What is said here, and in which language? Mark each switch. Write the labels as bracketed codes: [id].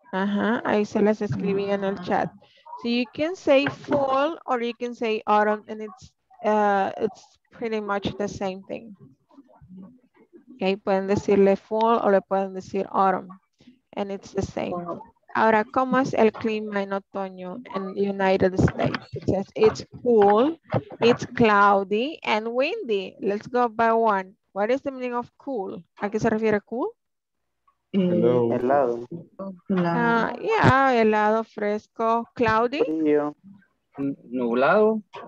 [es] Ajá, ahí se las escribí en el chat. [en] So you can say fall or you can say autumn and it's pretty much the same thing. [es] Okay, pueden decirle fall o le pueden decir autumn [en] and it's the same. [es] Ahora, ¿cómo es el clima en otoño en United States? [en] It says it's cool, it's cloudy and windy. Let's go by one. What is the meaning of cool? [es] ¿A qué se refiere cool? Helado. Helado fresco. Cloudy? Nublado.